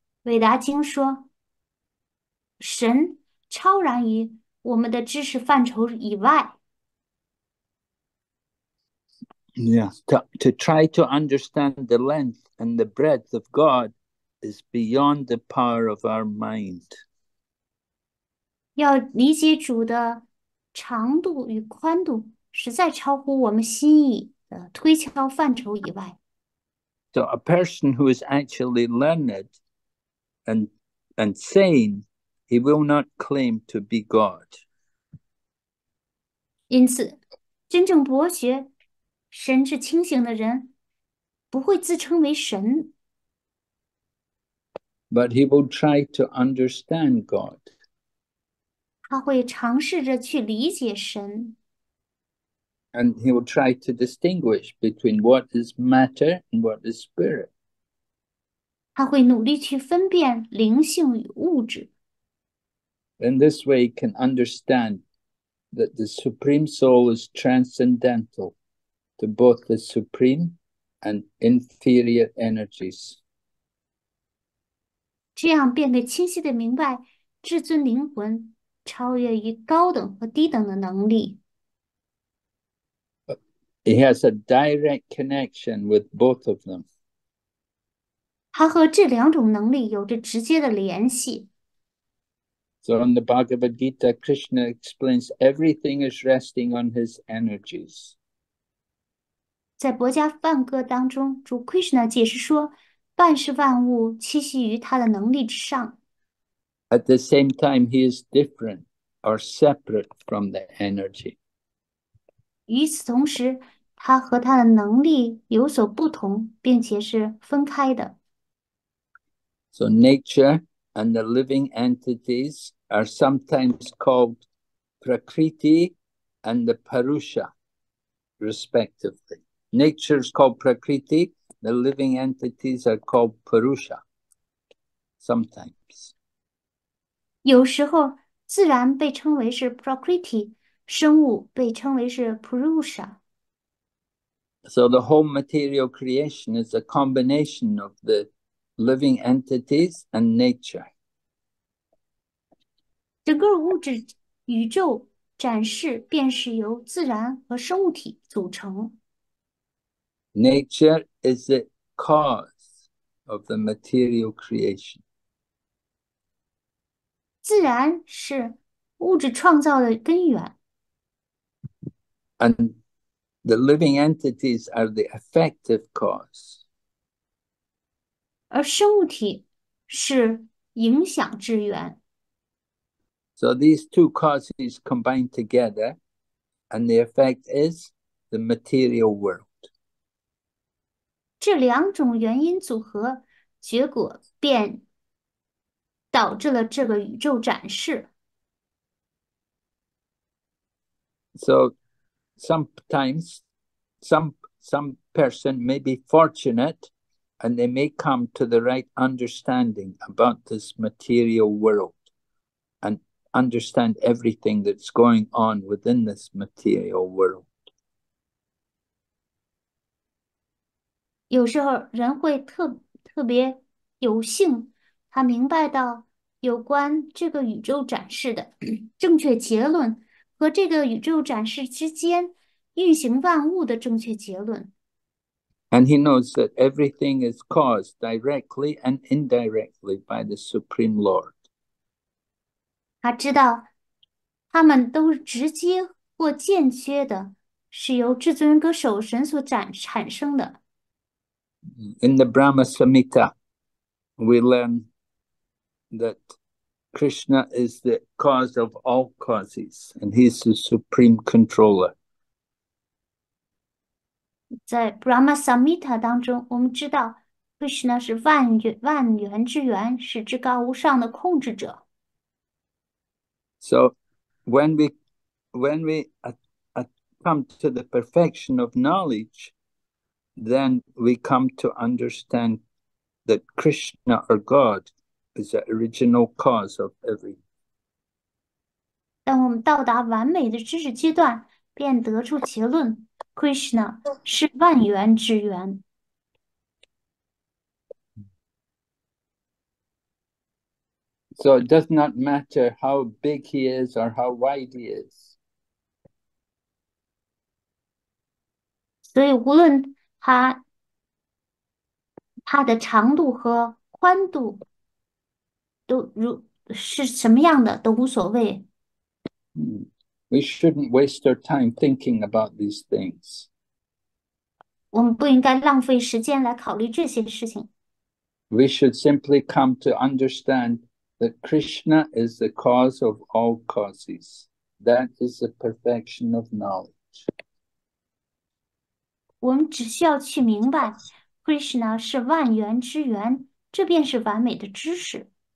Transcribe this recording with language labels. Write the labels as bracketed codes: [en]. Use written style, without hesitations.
[zh] 韦达经说：“神超然于我们的知识范畴以外。 [en] To try to understand the length and the breadth of God is beyond the power of our mind. [zh] ”要理解主的长度与宽度，实在超乎我们心意的推敲范畴以外。 [en] So a person who is actually learned and sane, he will not claim to be God. [zh] 因此，真正博学、神智清醒的人，不会自称为神。 [en] But he will try to understand God. [zh] 他会尝试着去理解神。 [en] And he will try to distinguish between what is matter and what is spirit. [zh] 他会努力去分辨灵性与物质。 [en] In this way, he can understand that the Supreme Soul is transcendental to both the supreme and inferior energies. [zh] 这样便可清晰地明白，至尊灵魂超越于高等和低等的能力。 [en] He has a direct connection with both of them. [zh] 他和这两种能力有着直接的联系。 [en] So in the Bhagavad Gita, Krishna explains everything is resting on his energies. [zh] 在博家梵歌当中，主 Krishna 解释说，万事万物栖息于他的能力之上。 [en] At the same time, he is different or separate from the energy. [zh] 与此同时，他和他的能力有所不同，并且是分开的。 [en] So nature and the living entities are sometimes called prakriti and the parusha, respectively. Nature is called prakriti, the living entities are called parusha, sometimes. [zh] 有时候，自然被称为是 prakriti，生物被称为是 purusha。 [en] So the whole material creation is a combination of the living entities and nature. [zh] 整个物质宇宙展示便是由自然和生物体组成。 [en] Nature is the cause of the material creation. [zh] 自然是物质创造的根源。 [en] And the living entities are the effective cause. [zh] 而生物体是影响之源。 [en] So these two causes combine together, and the effect is the material world. [zh] 这两种原因组合，结果便导致了这个宇宙展示。 [en] So sometimes some person may be fortunate and they may come to the right understanding about this material world and understand everything that's going on within this material world. [zh] 有时候人会特别有幸，他明白到有关这个宇宙展示的正确结论和这个宇宙展示之间运行万物的正确结论。 [en] And he knows that everything is caused directly and indirectly by the Supreme Lord. [zh] 他知道，他们都直接或间接的是由至尊歌手神所产生的。 [en] In the Brahma Samhita, we learn that Krishna is the cause of all causes, and he's the supreme controller. [zh] 在 Brahma Samhita 当中，我们知道 Krishna 是万源之源，是至高无上的控制者。 [en] So when we come to the perfection of knowledge, then we come to understand that Krishna or God is the original cause of everything. [zh] 当我们到达完美的知识阶段，便得出结论：Krishna 是万源之源。 [en] So it does not matter how big he is or how wide he is. [zh] 所以，无论它的长度和宽度都如是什么样的都无所谓。 [en] We shouldn't waste our time thinking about these things. [zh] 我们不应该浪费时间来考虑这些事情。 [en] We should simply come to understand that Krishna is the cause of all causes. That is the perfection of knowledge. [zh] 我们只需要去明白，Krishna 是万源之源，这便是完美的知识。